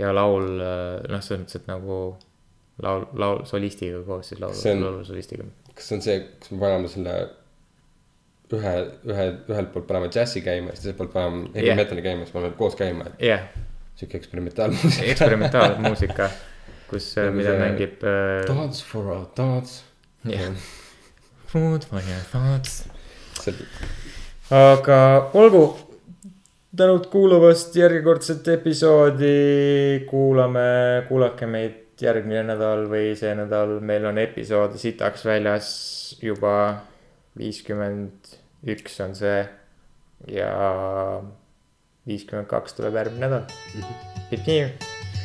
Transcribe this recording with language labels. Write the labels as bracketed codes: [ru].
[et] ja laul , noh , selles mõttes , et nagu laul solistiga koos , siis laul on, laul solistiga . kas see on see , kus me paneme selle ühelt poolt paneme džässi käima , siis teiselt poolt paneme heavy metali käima , siis paneme koos käima , et sihuke eksperimentaalmuusika . eksperimentaalmuusika , kus , mida mängib [en] Thoughts for our thoughts . Food for your thoughts . [et] aga olgu , tänud kuulamast järjekordset episoodi , kuulake meid järgmine nädal või see nädal , meil on episood sitaks väljas juba 51 on see ja 52 tuleb järgmine nädal .